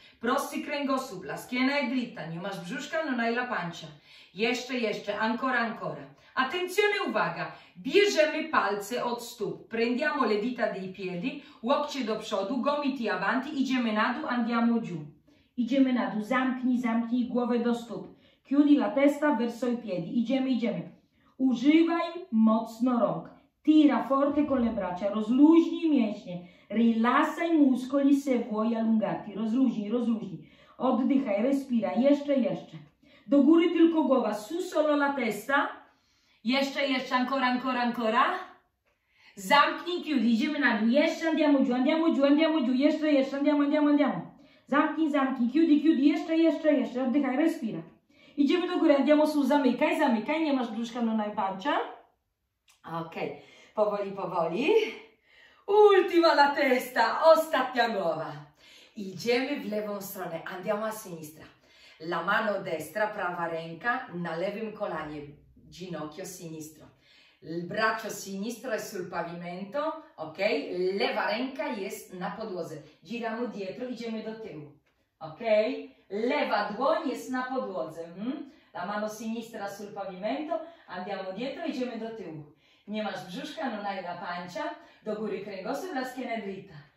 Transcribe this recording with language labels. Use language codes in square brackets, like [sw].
[pl] Prosty kręgosłup, [it] la schiena è dritta, [pl] nie masz brzuszka, [it] non hai la pancia. [pl] Jeszcze, jeszcze, [it] ancora, ancora. Attenzione, [pl] uwaga, bierzemy palce od stóp, [it] prendiamo le dita dei piedi, [pl] łokcie do przodu, [it] gomiti avanti, [pl] idziemy na dół, [it] andiamo giù. [pl] Idziemy na dół, zamknij, zamknij głowę do stóp. [it] Chiudi la testa verso i piedi. [pl] Idziemy, idziemy. Używaj mocno rąk. [it] Tira forte con le braccia. [pl] Rozluźnij mięśnie. [it] Rilassaj muscoli se vuoi allungarti. [pl] Rozluźnij, rozluźnij. Oddychaj, [it] respira. [pl] Jeszcze, jeszcze. Do góry tylko głowa. [it] Su solo la testa. [pl] Jeszcze, jeszcze. [it] Ancora, ancora, ancora. [pl] Zamknij, [it] chiudi. [pl] Idziemy na dół. Jeszcze [it] andiamo giù, andiamo giù, andiamo giù. [pl] Jeszcze, jeszcze. [it] Andiamo, andiamo, andiamo. [pl] Zamknij, zamknij, [it] chiudi, chiudi, [pl] jeszcze, jeszcze, jeszcze, oddychaj, [it] respira. [pl] Idziemy do góry, [it] andiamo su, [pl] zamykaj, zamykaj, nie masz brzuszka, [it] non hai pancia. [pl] Ok, powoli, powoli. [it] Ultima la testa, [pl] ostatnia głowa. Idziemy w lewą stronę, [it] andiamo a sinistra. La mano destra, [pl] prawa ręka na lewym kolanie, [it] ginocchio sinistro. Il braccio sinistro è sul pavimento, ok? [pl] Lewa ręka jest na podłodze. [it] Giriamo dietro, [pl] idziemy do tyłu, ok? Lewa dłoń jest na podłodze. [it] La mano sinistra sul pavimento, andiamo dietro, [pl] idziemy do tyłu. Nie masz brzuszka, [it] non hai la pancia. [pl] Do góry kręgosłup, [it] la schiena dritta.